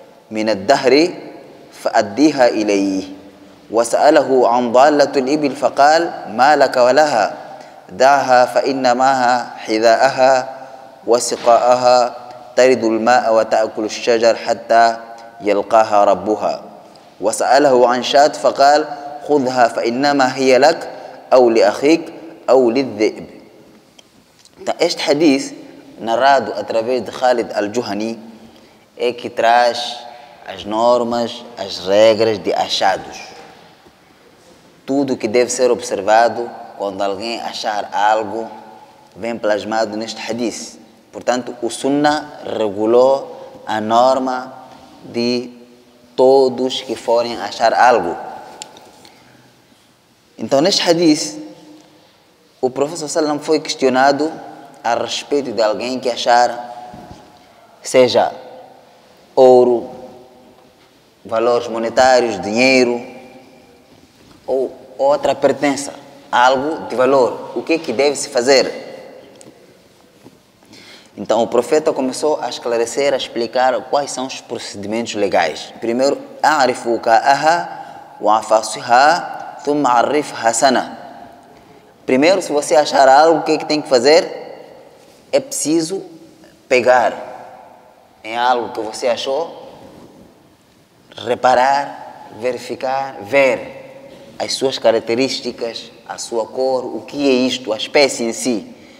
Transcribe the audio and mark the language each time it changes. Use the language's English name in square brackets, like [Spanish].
[Arabic] من الدهر فأديها إليه وسأله عن ضالة الإبل فقال ما لك ولها دعها فإن معها حذاءها وسقاءها ترد الماء وتأكل الشجر حتى يلقاها ربها وسأله عن شاة فقال خذها فإنما هي لك أو لأخيك أو للذئب. [Portuguese] Então, este hadith narrado através de Khalid al-Juhani é que traz as normas, as regras de achados. Tudo que deve ser observado quando alguém achar algo vem plasmado neste hadith. Portanto, o Sunnah regulou a norma de todos que forem achar algo. Então, neste hadith, o Profeta Sallam foi questionado a respeito de alguém que achar, seja ouro, valores monetários, dinheiro ou outra pertença, algo de valor. O que é que deve-se fazer? Então, o profeta começou a esclarecer, a explicar quais são os procedimentos legais. Primeiro, [Arabic] أعرف وكاءها وعفاصها ثم عرفها سنة. [Portuguese] Primeiro, se você achar algo, o que é que tem que fazer? É preciso pegar em algo que você achou, reparar, verificar, ver as suas características, a sua cor, o que é isto, a espécie em si.